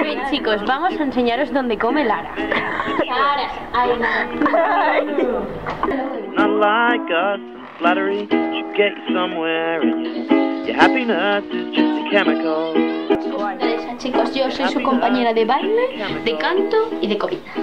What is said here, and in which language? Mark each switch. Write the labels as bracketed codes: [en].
[es] Chicos, vamos a enseñaros dónde come Lara. [en] Not like us, flattery should get you somewhere. Your happiness is just a chemical. [es] Chicos, yo soy su compañera de baile, de canto y de comida.